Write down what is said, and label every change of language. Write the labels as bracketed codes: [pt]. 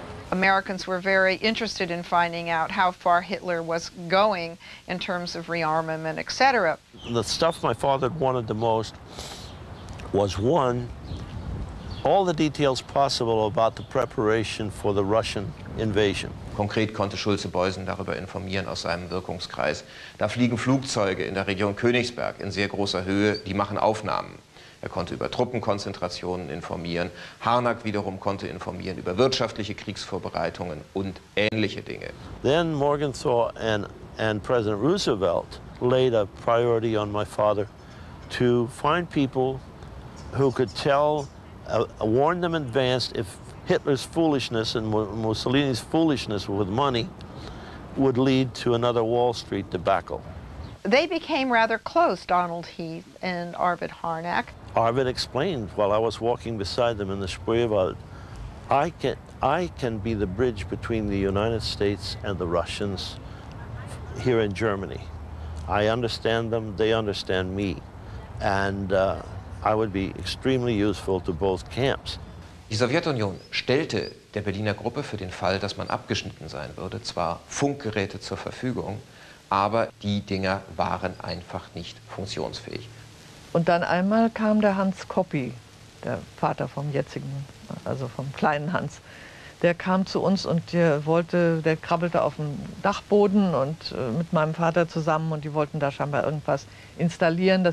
[en] Americans were very interested in finding out how far Hitler was going in terms of rearmament, et cetera. The stuff my father wanted the most was, one, all the details possible about the preparation for the Russian invasion. [de] Konkret konnte Schulze-Boysen darüber informieren aus seinem Wirkungskreis. Da fliegen Flugzeuge in der Region Königsberg in sehr großer Höhe, die machen Aufnahmen. Er konnte über Truppenkonzentrationen informieren. Harnack wiederum konnte informieren über wirtschaftliche Kriegsvorbereitungen und ähnliche Dinge. [en] Then Morgenthau and President Roosevelt laid a priority on my father to find people who could tell, warn them in advance if Hitler's foolishness and Mussolini's foolishness with money would lead to another Wall Street debacle. They became rather close, Donald Heath and Arvid Harnack. Arvid explained while I was walking beside them in the Spreewald, I can be the bridge between the United States and the Russians here in Germany. I understand them, they understand me. And I would be extremely useful to both camps. [de] Die Sowjetunion stellte der Berliner Gruppe für den Fall, dass man abgeschnitten sein würde, zwar Funkgeräte zur Verfügung, aber die Dinger waren einfach nicht funktionsfähig. Und dann einmal kam der Hans Koppi, der Vater vom jetzigen, also vom kleinen Hans, der kam zu uns und der krabbelte auf dem Dachboden und mit meinem Vater zusammen und die wollten da scheinbar irgendwas installieren.